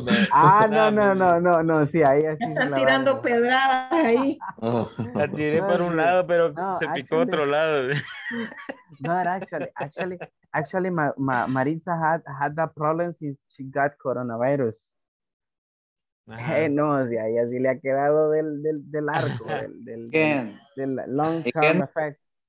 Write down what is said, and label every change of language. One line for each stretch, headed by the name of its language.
Spanish: Ah, no, no, no, no, no, sí, ahí así. Están tirando pedradas ahí. La tiré por un lado, pero no, se picó actually, otro lado.
English: No, actually, Maritza had that problem since she got coronavirus.
Spanish: No, sí, ahí así le ha quedado del arco, del
English: long term effects.